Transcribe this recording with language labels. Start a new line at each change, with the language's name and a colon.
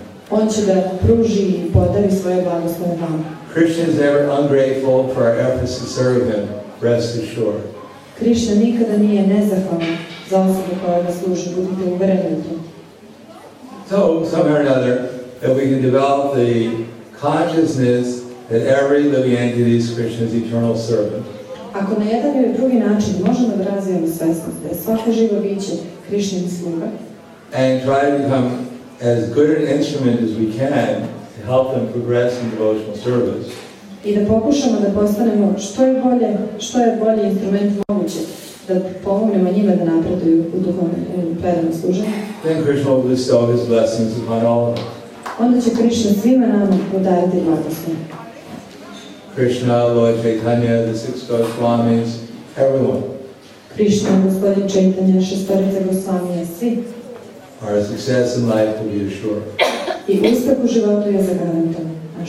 Serbian: On će da pruži i podari svoje blagoslove vama.
English: Krishna is never ungrateful for our efforts to serve him. Rest assured.
Serbian: Krishna nikada nije nezahvalan za osobu koja ga služi. Budite uvereni u to.
English: So, somehow or another, that we can develop the consciousness that every living entity is Krishna's eternal servant.
Serbian: Ako na jedan ili drugi način možemo da razvijemo svjesnost da svako živo biće Krišnin sluga.
English: And try to become as good an instrument as we can to help them progress in devotional service.
Serbian: I da pokušamo da postanemo što je bolje instrument moguće da pomognemo njima da napreduju u duhovnom predanom služenju.
English: Then Krishna will bestow his blessings upon all of us.
Serbian: Onda će Krišna svima nama podariti blagoslov.
English: Krishna, Lord Chaitanya, the six Goswamis, everyone.
Serbian: Krishna, Gospodin Chaitanya, Šestorica Goswamija, svi.
English: Our success in life will be assured.
Serbian: I uspjeh u životu je zagarantovan.